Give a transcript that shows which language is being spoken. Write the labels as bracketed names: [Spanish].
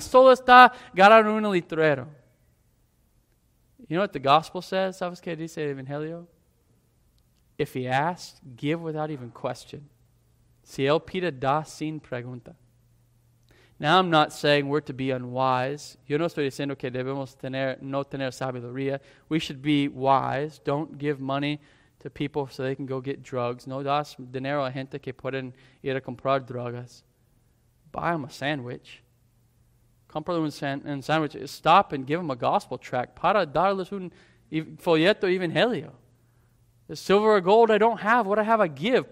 [Spanish] Solo está agarrando un letrero. [English] You know what the gospel says? [Spanish] ¿Sabes qué dice el Evangelio? [English] If he asks, give without even question. [Spanish] Si él pide, da sin pregunta. [English] Now I'm not saying we're to be unwise. [Spanish] Yo no estoy diciendo que debemos tener, no tener sabiduría. [English] We should be wise. Don't give money to people so they can go get drugs. [Spanish] No das dinero a gente que pueden ir a comprar drogas. [English] Buy them a sandwich. [Spanish] Compra un sandwich. [English] Stop and give them a gospel tract. [Spanish] Para darles un folleto evangelio. [English] Silver or gold I don't have. What I have I give.